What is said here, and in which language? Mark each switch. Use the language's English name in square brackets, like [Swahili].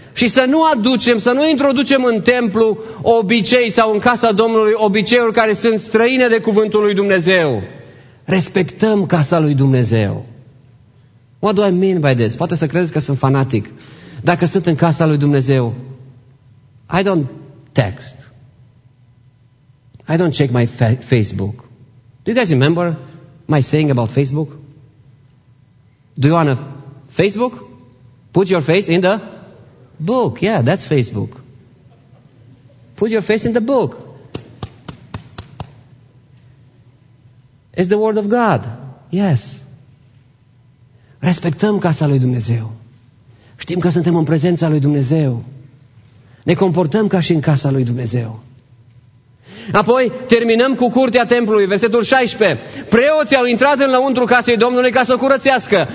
[Romanian] Și să nu aducem, să nu introducem în templu obicei sau în casa Domnului obiceiuri care sunt străine de cuvântul lui Dumnezeu. Respectăm casa lui Dumnezeu. [English] What do I mean by this? [Romanian] Poate să credeți că sunt fanatic. Dacă sunt în casa lui Dumnezeu, [English] I don't text. I don't check my Facebook. Do you guys remember my saying about Facebook? Do you want a Facebook? Put your face in the book, yeah, that's Facebook. Put your face in the book. It's the word of God. Yes. [Romanian] Respectăm casa lui Dumnezeu. Știm că suntem în prezența lui Dumnezeu. Ne comportăm ca și în casa lui Dumnezeu. Apoi terminăm cu curtea templului, versetul 16. Preoții au intrat în lăuntru casei Domnului ca să o curățească.